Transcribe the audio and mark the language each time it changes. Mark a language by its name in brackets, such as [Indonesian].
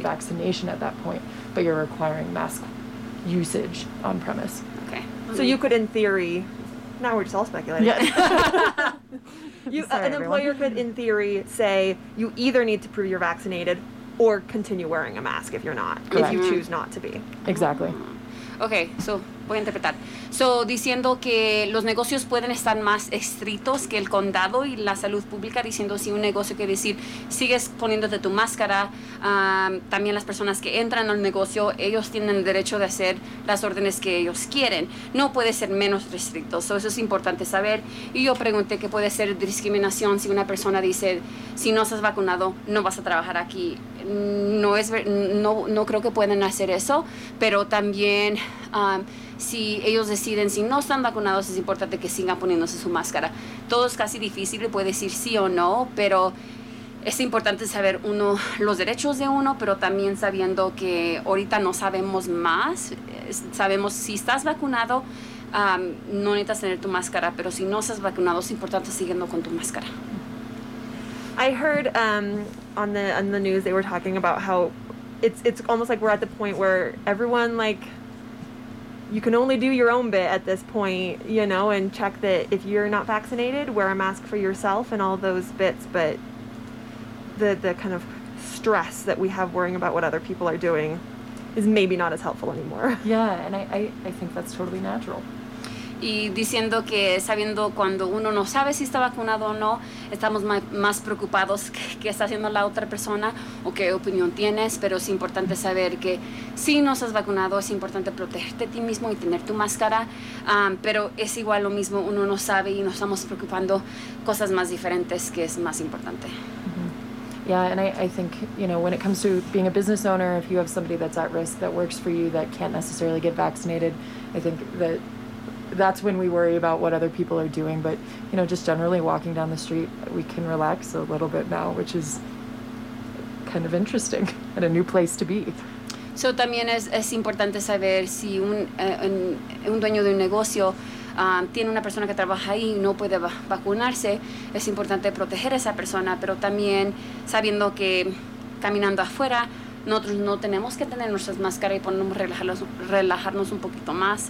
[English] a vaccination at that point, but you're requiring mask usage on premise. Okay. So you could, in theory, now we're just all speculating. Yes. You, sorry, an everyone. Employer could, in theory, say you either need to prove you're vaccinated or continue wearing a mask if you're not, correct. If you choose not to be. Exactly. Okay, so [Spanish] voy a interpretar. So, diciendo que los negocios pueden estar más estrictos que el condado y la salud pública, diciendo si un negocio quiere decir, sigues poniéndote tu máscara, también las personas que entran al negocio, ellos tienen el derecho de hacer las órdenes que ellos quieren. No puede ser menos restricto. So, eso es importante saber. Y yo pregunté qué puede ser discriminación si una persona dice, si no estás vacunado, no vas a trabajar aquí. No es, no creo que puedan hacer eso, pero también... si ellos deciden, si no están vacunados, es importante que sigan poniéndose su máscara. Todo es casi difícil, puede decir sí o no, pero es importante saber uno los derechos de uno, pero también sabiendo que ahorita no sabemos más. Sabemos si estás vacunado, no necesitas tener tu máscara, pero si no estás vacunado, es importante siguiendo con tu máscara. [English] I heard on the news they were talking about how it's almost like we're at the point where everyone, like, you can only do your own bit at this point, you know, and check that if you're not vaccinated, wear a mask for yourself and all those bits. But the kind of stress that we have worrying about what other people are doing is maybe not as helpful anymore. Yeah, and I think that's totally natural. [Spanish] Y diciendo que sabiendo cuando uno no sabe si está vacunado o no, estamos más preocupados qué está haciendo la otra persona o qué opinión tienes, pero es importante saber que si no estás vacunado, es importante protegerte a ti mismo y tener tu máscara, pero es igual lo mismo, uno no sabe y nos estamos preocupando cosas más diferentes que es más importante. Mm-hmm. [English] Yeah, and I think, you know, when it comes to being a business owner, if you have somebody that's at risk that works for you that can't necessarily get vaccinated, I think that's when we worry about what other people are doing. But, you know, just generally walking down the street, we can relax a little bit now, which is kind of interesting and a new place to be. [Spanish] So también es importante saber si un dueño de un negocio tiene una persona que trabaja ahí y no puede vacunarse, es importante proteger a esa persona, pero también sabiendo que caminando afuera, nosotros no tenemos que tener nuestras máscaras y ponernos relajarnos un poquito más.